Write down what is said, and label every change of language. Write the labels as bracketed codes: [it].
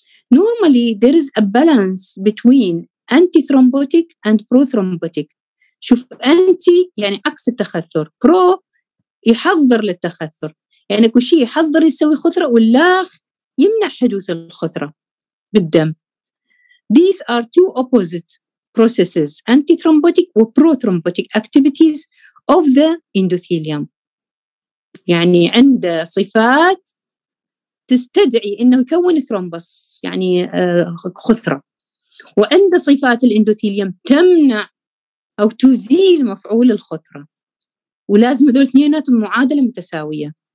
[en] Normally there is a balance between antithrombotic and prothrombotic. [ar] شوف anti يعني عكس التخثر، pro يحضر للتخثر، يعني كل شيء يحضر يسوي خثرة واللاخ يمنع حدوث الخثرة بالدم. [en] These are two opposite processes, antithrombotic and prothrombotic activities of the endothelium. [ar] يعني عنده صفات تستدعي انه يكون ثرومبس يعني خثرة، وعنده صفات الاندوثيليوم تمنع او تزيل مفعول الخثرة، ولازم هذول اثنيناتهم معادلة متساوية.